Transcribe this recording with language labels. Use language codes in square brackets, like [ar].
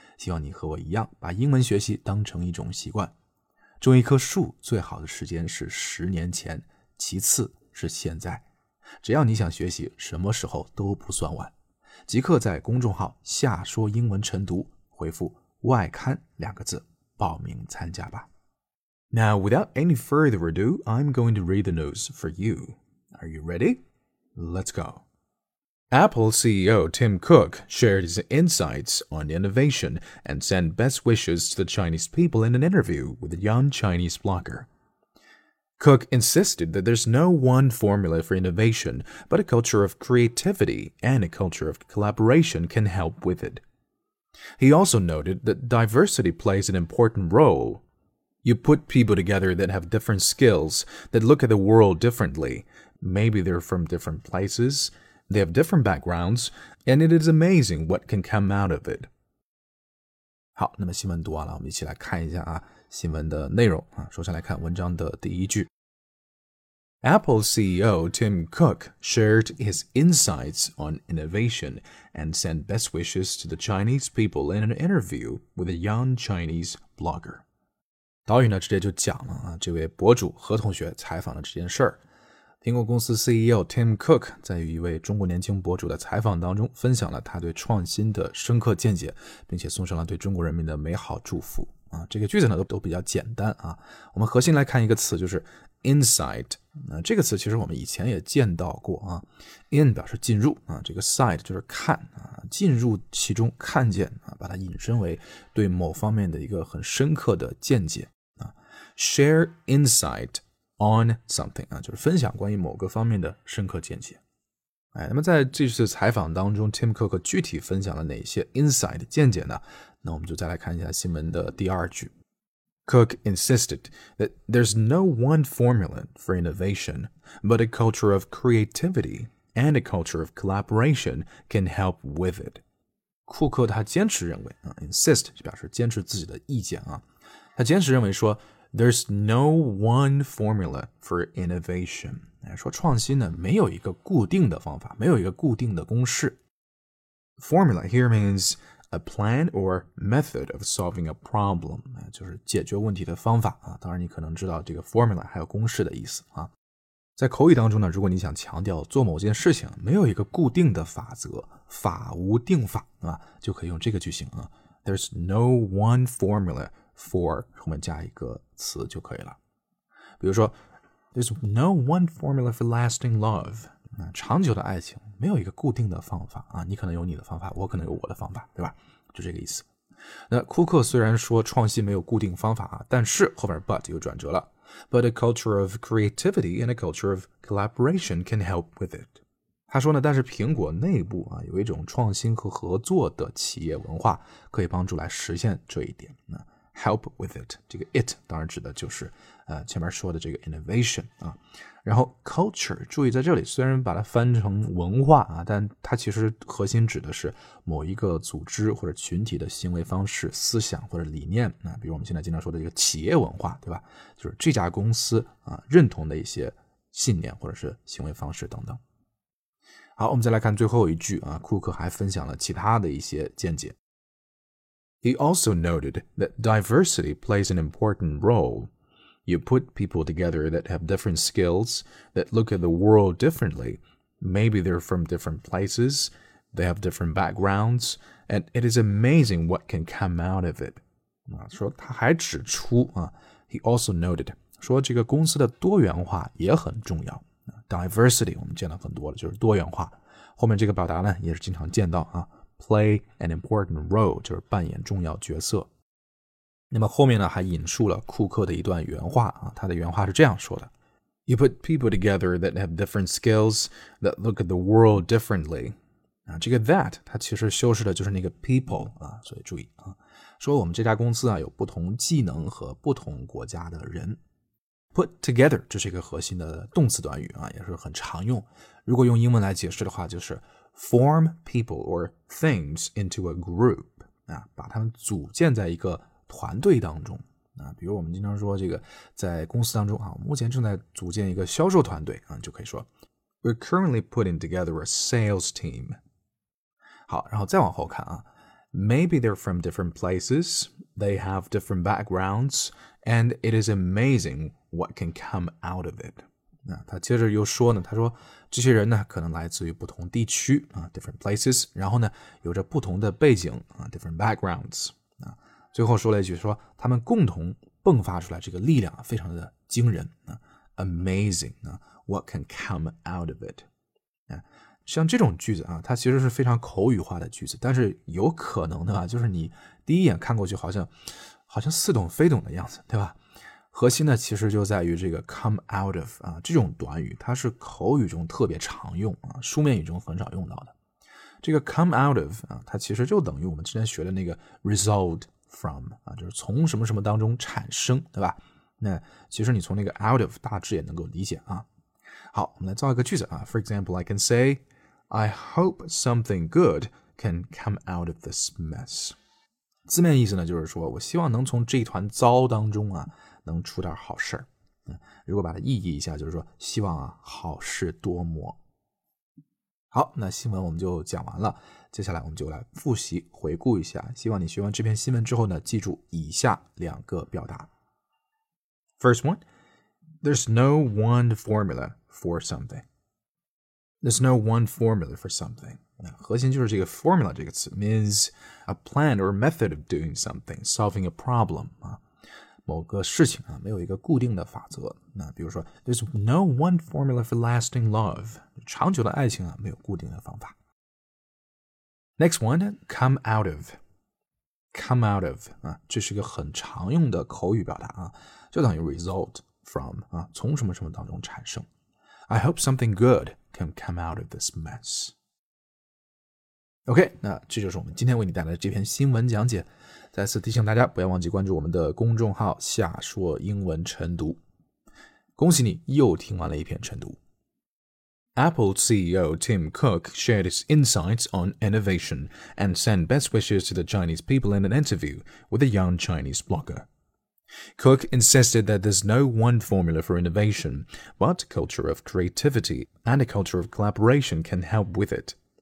[zh] 希望你和我一样，把英文学习当成一种习惯。种一棵树最好的时间是10年前，其次是现在，只要你想学习，什么时候都不算晚。即刻在公众号夏说英文晨读回复外刊两个字报名参加吧。 [en] Now without any further ado, I'm going to read the news for you. Are you ready? Let's go. Apple CEO Tim Cook shared his insights on innovation and sent best wishes to the Chinese people in an interview with a young Chinese blogger. Cook insisted that there's no one formula for innovation, but a culture of creativity and a culture of collaboration can help with it. He also noted that diversity plays an important role. You put people together that have different skills, that look at the world differently. Maybe they're from different places, they have different backgrounds, and it is amazing what can come out of it. [zh] 好，那么新闻读完了，我们一起来看一下啊。新闻的内容啊，首先来看文章的第一句。 [en] Apple CEO Tim Cook shared his insights on innovation and sent best wishes to the Chinese people in an interview with a young Chinese blogger. [zh] 导语呢直接就讲了啊，这位博主何同学采访了这件事儿。苹果公司 CEO Tim Cook 在与一位中国年轻博主的采访当中分享了他对创新的深刻见解，并且送上了对中国人民的美好祝福。这个句子呢都比较简单啊。我们核心来看一个词，就是 insight。这个词其实我们以前也见到过啊。in 表示进入啊，这个 sight 就是看啊，进入其中看见啊，把它引申为对某方面的一个很深刻的见解啊。 [en] share insight on something [zh] 啊，就是分享关于某个方面的深刻见解。那么在这次采访当中 ,Tim Cook 具体分享了哪些 insight 见解呢？那我们就再来看一下新闻的第二句。 [en] Cook insisted that there's no one formula for innovation, but a culture of creativity and a culture of collaboration can help with it. [zh] 库克他坚持认为 ,insist 就表示坚持自己的意见啊。他坚持认为说 [en] ,there's no one formula for innovation. [zh] 说创新呢，没有一个固定的方法，没有一个固定的公式。 [en] Formula here means a plan or method of solving a problem， [zh] 就是解决问题的方法啊。当然，你可能知道这个 formula 还有公式的意思啊。在口语当中呢，如果你想强调做某件事情没有一个固定的法则，法无定法啊，就可以用这个句型啊。 [en] There's no one formula for [zh] 后面加一个词就可以了。比如说。 [en] There's no one formula for lasting love. [zh] 长久的爱情没有一个固定的方法啊，你可能有你的方法，我可能有我的方法，对吧？就这个意思。那库克虽然说创新没有固定方法啊，但是后面 but 又转折了。 [en] but a culture of creativity and a culture of collaboration can help with it. [zh] 他说呢，但是苹果内部啊，有一种创新和合作的企业文化可以帮助来实现这一点。 [en] Help with it, [zh] 这个 it 当然指的就是前面说的这个 innovation 啊，然后 culture 注意在这里虽然把它翻成文化啊，但它其实核心指的是某一个组织或者群体的行为方式思想或者理念啊，比如我们现在经常说的这个企业文化对吧，就是这家公司啊认同的一些信念或者是行为方式等等。好，我们再来看最后一句啊，库克还分享了其他的一些见解。 [en] He also noted that diversity plays an important role. You put people together that have different skills, that look at the world differently. Maybe they're from different places, they have different backgrounds, and it is amazing what can come out of it. [zh] 说他还指出啊 , [en] He also noted, [zh] 说这个公司的多元化也很重要。 Diversity, 我们见到很多的就是多元化。后面这个表达呢也是经常见到啊。 [en] Play an important role, [zh] 就是扮演重要角色。那么后面呢还引述了库克的一段原话啊，他的原话是这样说的。 [en] You put people together that have different skills, that look at the world differently. [zh] 啊，这个 that, 它其实修饰的就是那个 people, 啊，所以注意啊，说我们这家公司啊有不同技能和不同国家的人。 [en] Put together, [zh] 这是一个核心的动词短语啊，也是很常用。如果用英文来解释的话就是 [en] Form people or things into a group, [zh] 啊，把他们组建在一个团队当中。啊，比如我们经常说这个在公司当中啊，目前正在组建一个销售团队啊，就可以说 [en] We're currently putting together a sales team. [zh] 好，然后再往后看啊， [en] Maybe they're from different places, they have different backgrounds, and it is amazing what can come out of it. [zh] 啊，他接着又说呢，他说这些人呢可能来自于不同地区啊 ， [en] different places， [zh] 然后呢有着不同的背景啊 ， [en] different backgrounds [zh] 啊，最后说了一句说他们共同迸发出来这个力量啊，非常的惊人啊 [en] ，amazing 啊 ，what can come out of it？ [zh] 啊，像这种句子啊，它其实是非常口语化的句子，但是有可能的啊，就是你第一眼看过去好像似懂非懂的样子，对吧？核心呢其实就在于这个 [en] come out of, [zh] 啊这种短语它是口语中特别常用啊，书面语中很少用到的。这个 [en] come out of, [zh] 啊它其实就等于我们之前学的那个 [en] result from, [zh] 啊就是从什么什么当中产生，对吧，那其实你从那个 [en] out of [zh] 大致也能够理解啊。好，我们来造一个句子啊， [en] for example, I can say, I hope something good can come out of this mess. [zh] 字面意思呢就是说我希望能从这一团糟当中啊能出点好事儿，如果把它意义一下，就是说希望啊好事多磨。好，那新闻我们就讲完了，接下来我们就来复习回顾一下。希望你学完这篇新闻之后呢，记住以下两个表达。 [en] First one, there's no one formula for something. There's no one formula for something. [zh] 核心就是这个 formula 这个词 [en] means a plan or method of doing something, solving a problem. [zh] 某个事情啊，没有一个固定的法则。那比如说 [en] There's no one formula for lasting love. [zh] 长久的爱情啊，没有固定的方法。 [en] Next one, come out of. Come out of. [zh] 啊，这是一个很常用的口语表达啊，就等于 [en] result from. [zh] 啊，从什么什么当中产生。 [en] I hope something good can come out of this mess. [zh] OK, 那这就是我们今天为你带来的这篇新闻讲解。再次提醒大家不要忘记关注我们的公众号下说英文晨读。恭喜你又听完了一篇晨读。 [en] Apple CEO Tim Cook shared his insights on innovation and sent best wishes to the Chinese people in an interview with a young Chinese blogger. Cook insisted that there's no one formula for innovation, but a culture of creativity and a culture of collaboration can help with it.